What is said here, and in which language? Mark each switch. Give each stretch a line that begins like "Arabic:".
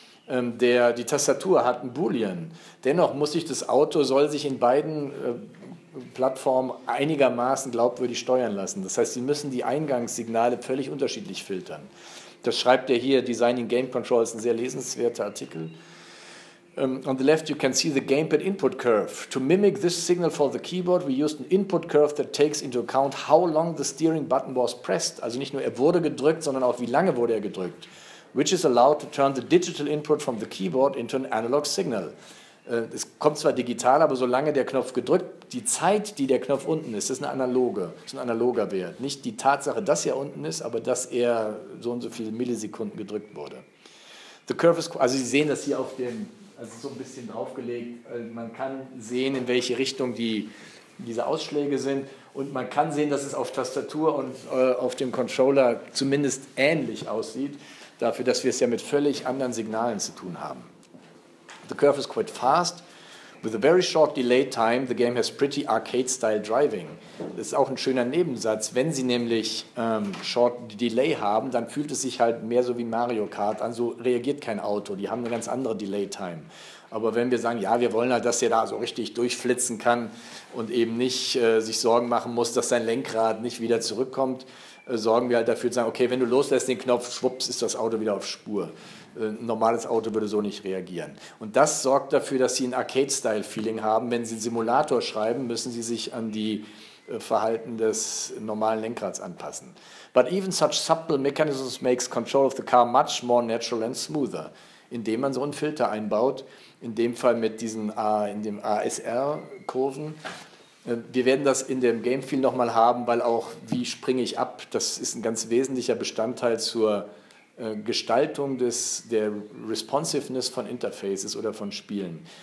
German: Die Tastatur hat einen Boolean. Dennoch muss sich das Auto, soll sich in beiden Plattformen einigermaßen glaubwürdig steuern lassen. Das heißt, Sie müssen die Eingangssignale völlig unterschiedlich filtern. Das schreibt er hier, Designing Game Controls, ein sehr lesenswerter Artikel.
English: On the left you can see the gamepad input curve. To mimic this signal for the keyboard, we used an input curve that takes into account how long the steering button was pressed.
German: Also nicht nur er wurde gedrückt, sondern auch wie lange wurde er gedrückt.
English: Which is allowed to turn the digital input from the keyboard into an analog signal.
German: Es kommt zwar digital, aber solange der Knopf gedrückt, die Zeit, die der Knopf unten ist, ist ein analoger Wert. Nicht die Tatsache, dass er unten ist, aber dass er so und so viele Millisekunden gedrückt wurde.
English: The curve is,
German: also Sie sehen das hier auf dem, also so ein bisschen draufgelegt, man kann sehen, in welche Richtung diese Ausschläge sind. Und man kann sehen, dass es auf Tastatur und auf dem Controller zumindest ähnlich aussieht, dafür, dass wir es ja mit völlig anderen Signalen zu tun haben.
English: The curve is quite fast. With a very short delay time, the game has pretty arcade-style driving.
German: Das ist auch ein schöner Nebensatz. Wenn Sie nämlich short delay haben, dann fühlt es sich halt mehr so wie Mario Kart an. So reagiert kein Auto. Die haben eine ganz andere delay time. Aber wenn wir sagen, ja, wir wollen halt, dass der da so richtig durchflitzen kann und eben nicht sich Sorgen machen muss, dass sein Lenkrad nicht wieder zurückkommt, sorgen wir halt dafür zu sagen, okay, wenn du loslässt den Knopf, schwupps, ist das Auto wieder auf Spur. Ein normales Auto würde so nicht reagieren. Und das sorgt dafür, dass Sie ein Arcade-Style-Feeling haben. Wenn Sie einen Simulator schreiben, müssen Sie sich an die Verhalten des normalen Lenkrads anpassen.
English: But even such subtle mechanisms makes control of the car much more natural and smoother.
German: Indem man so einen Filter einbaut, in dem Fall mit diesen ASR-Kurven. Wir werden das in dem Gamefeel nochmal haben, weil auch, wie springe ich ab, das ist ein ganz wesentlicher Bestandteil zur Gestaltung der Responsiveness von Interfaces oder von Spielen.